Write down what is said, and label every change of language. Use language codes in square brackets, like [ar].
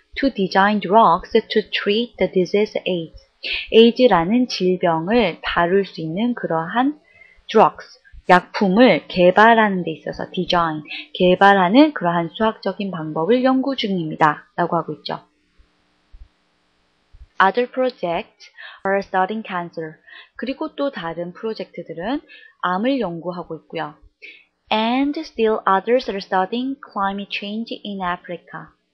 [en] To design drugs to treat the disease AIDS. [ko] AIDS라는 질병을 다룰 수 있는 그러한 drugs 약품을 개발하는 데 있어서 디자인, 개발하는 그러한 수학적인 방법을 연구 중입니다. 라고 하고 있죠. [en] Other projects are studying cancer. [ko] 그리고 또 다른 프로젝트들은 암을 연구하고 있고요. [en] And still others are studying climate change in Africa.